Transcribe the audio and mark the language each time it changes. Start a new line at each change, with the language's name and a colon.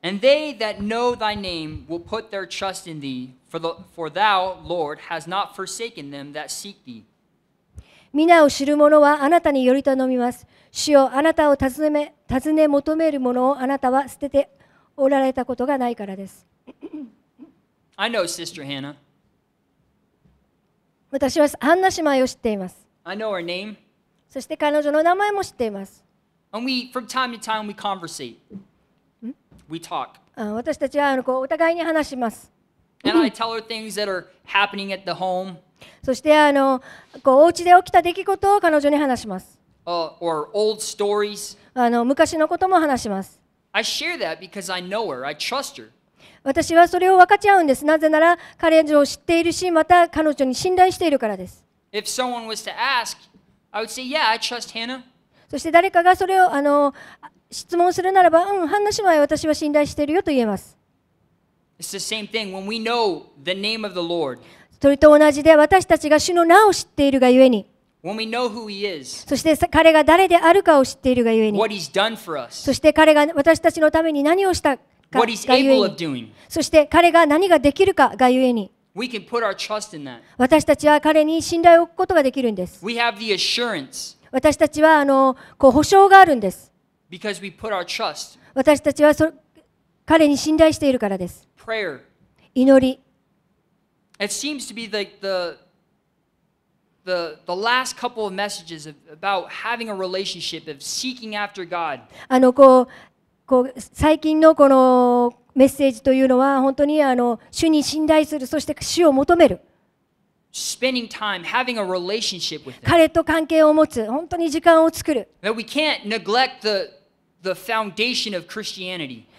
English: And they that know thy name will put their trust in thee, for thou, Lord, has not forsaken them that seek thee.
Japanese: 皆を知る者はあなたにより頼みます。主よ、あなたを尋ね求める者をあなたは捨てておられたことがないからです。
English: I know Sister Hannah.
Japanese: 私はハンナ姉妹を知っています。
English: I know her name.
Japanese: そして彼女の名前も知っています。
English: And we, from time to time, we conversate. We talk.
Japanese: 私たちはお互いに話します。
English: And I tell her things that are happening at the home.
Japanese: そしてこうお家で起きた出来事を彼女に話します。
English: Or old stories.
Japanese: 昔のことも話します。
English: I share that because I know her. I trust her.
Japanese: 私はそれを分かち合うんです。なぜなら彼女を知っているし、また彼女に信頼しているからです。
English: If someone was to ask, I would say, yeah, I trust Hannah.
Japanese: そして誰かがそれを質問するならば、ハンナ姉妹、私は信頼しているよと言えます。
English: It's the same thing when we know the name of the Lord.
Japanese: それと同じで私たちが主の名を知っているがゆえに
English: When we know who he is,
Japanese: そして彼が誰であるかを知っているがゆえに
English: What he's done for us,
Japanese: そして彼が私たちのために何をしたかがゆえに
English: What he's able of doing,
Japanese: そして彼が何ができるかがゆえに
English: we can put our trust in that.
Japanese: 私たちは彼に信頼を置くことができるんです
English: we have the assurance,
Japanese: 私たちはこう保証があるんです
English: because we put our trust.
Japanese: 私たちは彼に信頼しているからです
English: Prayer.
Japanese: 祈り
English: It seems to be like the last couple of messages about having a relationship of seeking after God.
Japanese: こう最近のこのメッセージというのは本当に主に信頼するそして主を求める。
English: Spending time, having a relationship with Him.
Japanese: 彼と関係を持つ本当に時間を作る。
English: That we can't neglect the foundation of Christianity.